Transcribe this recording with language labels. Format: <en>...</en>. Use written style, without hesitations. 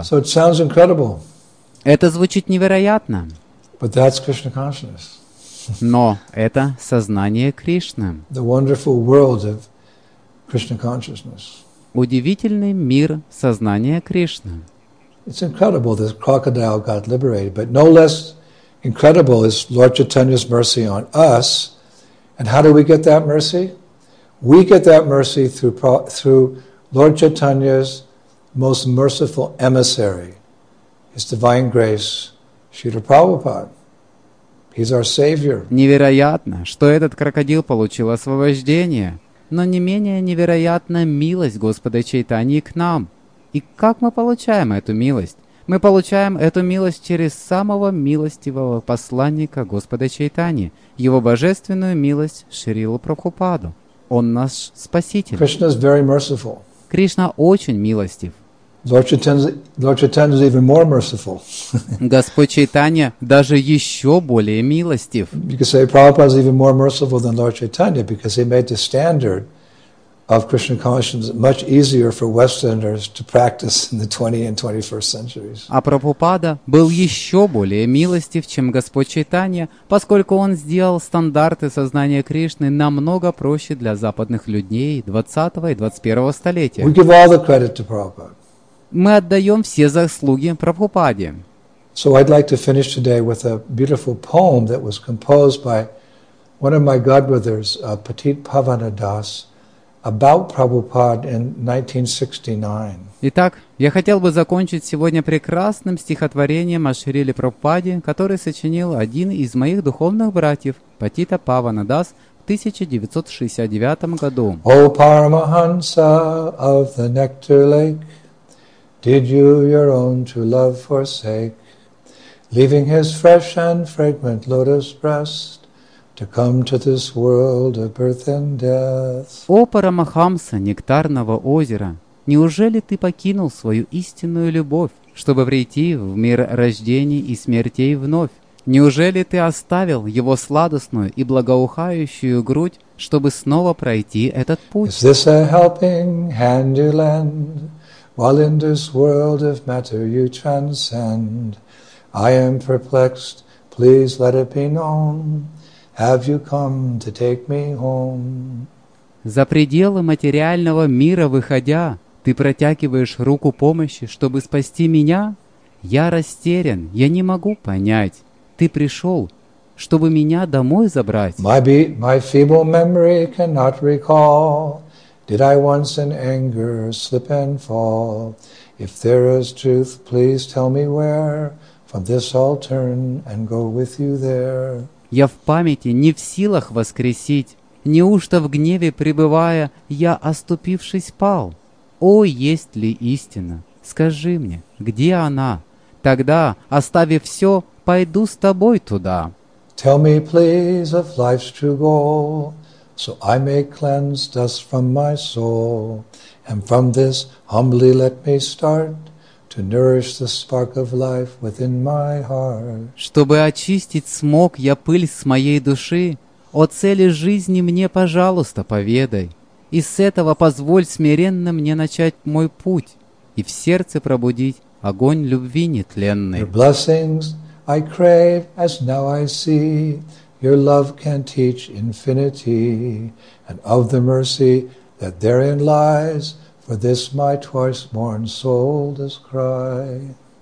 <en>So it sounds incredible.</en> <ru>Это звучит невероятно.</ru> <en>But that's Krishna consciousness.</en> <ru>Но это сознание Кришны.</ru> <en>The wonderful world of Krishna consciousness.</en> <ru>Удивительный мир сознания Кришны.</ru> <en>It's incredible this crocodile got liberated, but no less incredible is Lord Chaitanya's mercy on us. And how do we get that mercy? We get that mercy through Lord Chaitanya's most merciful emissary, His divine grace, Śrīla Prabhupāda. He's our savior.</en> <ru>Невероятно, что этот крокодил получил освобождение. Но не менее невероятна милость Господа Чайтаньи к нам. И как мы получаем эту милость? Мы получаем эту милость через самого милостивого посланника Господа Чайтаньи, его божественную милость Шрилу Прабхупаду. Он наш Спаситель.</ru> <en>Krishna is very merciful.</en> <ru>Кришна очень милостив.</ru> <en>Lord Chaitanya is even more merciful.</en> <ru>Господь Чайтанья даже еще более милостив.</ru> <en>You could say Prabhupada is even more merciful than Lord Chaitanya because he made the standard of Krishna consciousness much easier for Westerners to practice in the 20th and 21st centuries.</en> <ru>А Прабхупада был еще более милостив, чем Господь Чайтанья, поскольку он сделал стандарты сознания Кришны намного проще для западных людей 20-го и 21-го столетия.</ru> <en>We give all the credit to Prabhupada.</en> <ru>Мы отдаем все заслуги Прабхупаде.</ru> <en>So I'd like to finish today with a beautiful poem that was composed by one of my godbrothers, Patit Pavana Das, about Prabhupada in 1969.</en> <ru>Итак, я хотел бы закончить сегодня прекрасным стихотворением о Шриле Прабхупаде, которое сочинил один из моих духовных братьев, Патита Павана Дас, в 1969 году.</ru> <en>O Paramahansa of the Nectar Lake, did you your own true love forsake, leaving his fresh and fragrant lotus breast to come to this world of birth and death?</en> <ru>О, Парамахамса нектарного озера, неужели ты покинул свою истинную любовь, чтобы прийти в мир рождений и смертей вновь, Неужели ты оставил его сладостную и благоухающую грудь, чтобы снова пройти этот путь?</ru> <en>Is this a helping hand you lend, while in this world of matter you transcend? I am perplexed, please let it be known, have you come to take me home?</en> <ru>За пределы материального мира выходя, ты протягиваешь руку помощи, чтобы спасти меня? Я растерян, я не могу понять. Ты пришел, чтобы меня домой забрать.</ru> <en>My feeble memory cannot recall, did I once in anger slip and fall? If there is truth, please tell me where, from this I'll turn and go with you there.</en> <ru>Я в памяти не в силах воскресить, неужто в гневе пребывая, я, оступившись, пал? О, есть ли истина? Скажи мне, где она? Тогда, оставив все, пойду с тобой туда.</ru> <en>Tell me, please, of life's true goal, so I may cleanse dust from my soul, and from this humbly let me start to nourish the spark of life within my heart.</en> <ru>Чтобы очистить смог я пыль с моей души, о цели жизни мне, пожалуйста, поведай. И с этого позволь смиренно мне начать мой путь и в сердце пробудить огонь любви нетленной.</ru> <en>Your blessings I crave, as now I see, your love can teach infinity, and of the mercy that therein lies, for this my twice-born soul does cry.</en>